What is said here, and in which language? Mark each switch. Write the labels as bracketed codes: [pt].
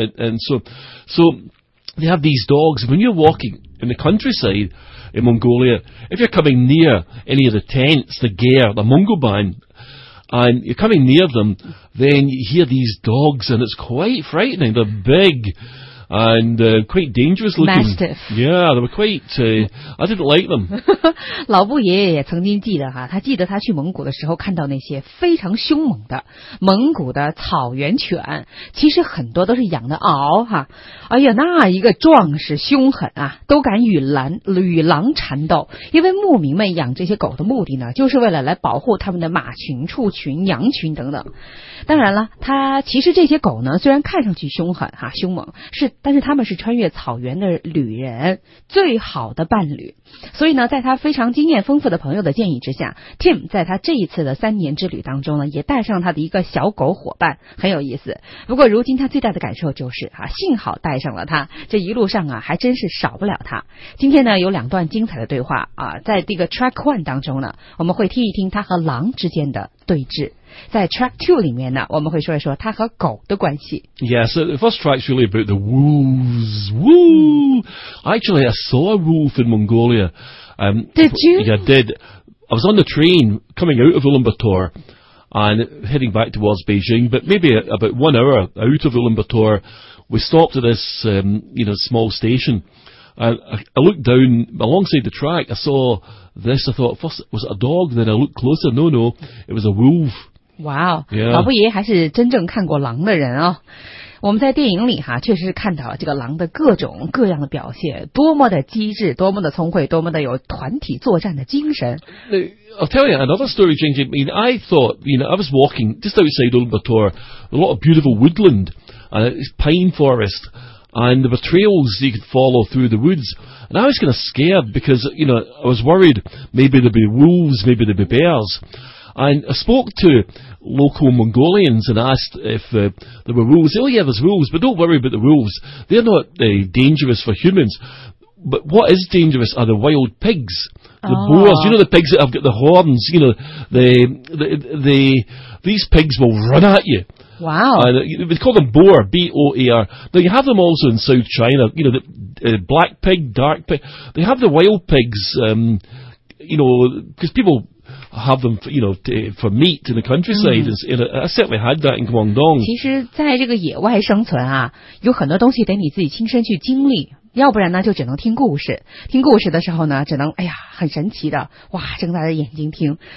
[en] And so they have these dogs. When you're walking in the countryside,in Mongolia, if you're coming near any of the tents, the ger, the mongoban, and you're coming near them, then you hear these dogs, and it's quite frightening. They're big and quite dangerous looking. Mastiff. Yeah, they were quite, I didn't like them. [zh] 老布爷爷也曾经记得哈，他记得他去蒙古的时候看到那些非常凶猛的蒙古的草原犬，其实很多都是养的獒哈。哎呀，那一个壮实凶狠啊，都敢与狼缠斗。因为牧民们养这些狗的目的呢，就是为了来保护他们的马群、畜群、羊群等等。当然了，他其实这些狗呢，虽然看上去凶狠哈、凶猛，是但是他们是穿越草原的旅人，最好的伴侣。所以呢，在他非常经验丰富的朋友的建议之下， Tim 在他这一次的三年之旅当中呢，也带上他的一个小狗伙伴，很有意思。不过如今他最大的感受就是啊，幸好带上了他，这一路上啊还真是少不了他。今天呢有两段精彩的对话啊，在这个 Track 1当中呢，我们会听一听他和狼之间的对峙。在 Track 2里面呢，我们会说一说他和狗的关系。 [en] Yeah, so the first track is really about the wolves. Woo! Actually, I saw a wolf in Mongolia. Did you? Yeah, I did. I was on the train coming out of Ulaanbaatar and heading back towards Beijing, but maybe about 1 hour out of Ulaanbaatar, we stopped at this small station. I looked down alongside the track, I saw this, I thought, first, was it a dog? Then I looked closer, no, it was a wolf. 哇、wow, 哦、yeah. [zh] 老布爷还是真正看过狼的人哦。我们在电影里哈，确实是看到了这个狼的各种各样的表现，多么的机智，多么的聪慧，多么的有团体作战的精神。 [en] I'll tell you another story, Jing Jing. I thought, I was walking just outside Ulaanbaatar, a lot of beautiful woodland, and it's pine forest, and there were trails you could follow through the woods. And I was kind of scared because, I was worried maybe there'd be wolves, maybe there'd be bears. And I spoke to local Mongolians and asked if there were wolves. Oh yeah, there's wolves, but don't worry about the wolves. They're not dangerous for humans. But what is dangerous are the wild pigs, the boars. You know the pigs that have got the horns? You know, these pigs will run at you. Wow. We call them boar, B-O-A-R. Now you have them also in South China, the black pig, dark pig. They have the wild pigs, because people... have them, for meat in the countryside.、Mm. I certainly had that in Guangdong. [zh] 其实在这个野外生存啊，有很多东西得你自己亲身去经历，要不然呢就只能听故事。听故事的时候呢，只能哎呀，很神奇的，哇，睁大的眼睛听。